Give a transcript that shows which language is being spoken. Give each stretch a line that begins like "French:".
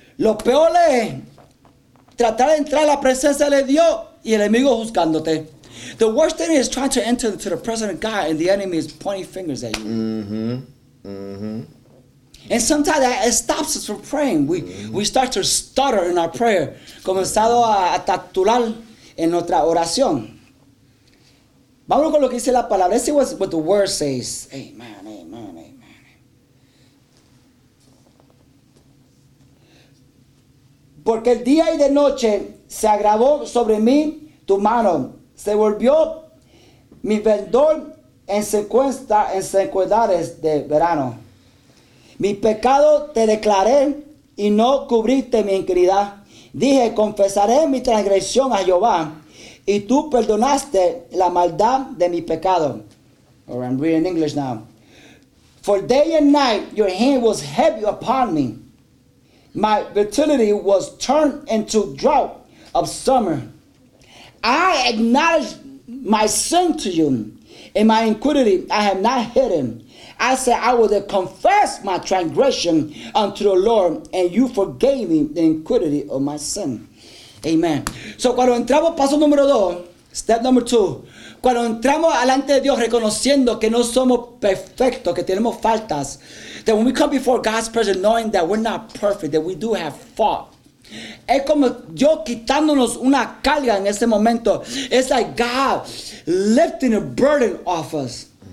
Spanish: Lo peor es tratar de entrar a la presencia de Dios y el enemigo juzgándote.
English: The worst thing is trying to enter into the presence of God and the enemy is pointing fingers at you. Mm-hmm. Mm-hmm. And sometimes that it stops us from praying. We mm-hmm. we start to stutter in our prayer.
Spanish: Comenzado a tatular en nuestra oración. Vámonos con lo que dice la palabra.
English: Let's see what the word says.
Spanish: Amen, amen, amen. Porque el día y de noche se agravó sobre mí tu mano. Se volvió mi verdor en secuedades de verano. Mi pecado te declaré y no cubriste mi iniquidad. Dije, confesaré mi transgresión a Jehová y tú perdonaste la maldad de mi pecado.
English: Or I'm reading English now. For day and night your hand was heavy upon me. My fertility was turned into drought of summer. I acknowledged my sin to you. In my iniquity, I have not hidden. I said, I will confess my transgression unto the Lord, and you forgave me the iniquity of my sin. Amen.
Spanish: So, cuando entramos, paso número dos,
English: step number two.
Spanish: Cuando entramos delante de Dios reconociendo que no somos perfectos, que tenemos faltas,
English: that when we come before God's presence, knowing that we're not perfect, that we do have fault.
Spanish: Es como yo quitándonos una carga en ese momento.
English: It's like God lifting a burden off us.